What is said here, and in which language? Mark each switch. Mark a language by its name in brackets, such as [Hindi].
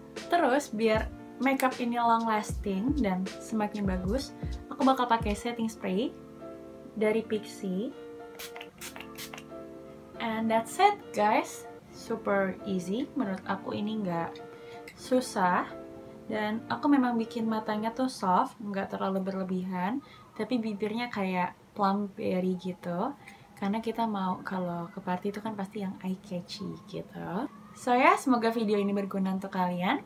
[Indonesian] Terus biar makeup ini long lasting dan semakin bagus, aku bakal pakai setting spray dari Pixi. [English] And that's it guys, super easy. [Indonesian] Menurut aku ini nggak susah, dan aku memang bikin matanya tuh soft, nggak terlalu berlebihan, tapi bibirnya kayak plumberry gitu, karena kita mau kalau ke party itu kan pasti yang eye catchy gitu. So ya, yeah, semoga video ini berguna untuk kalian.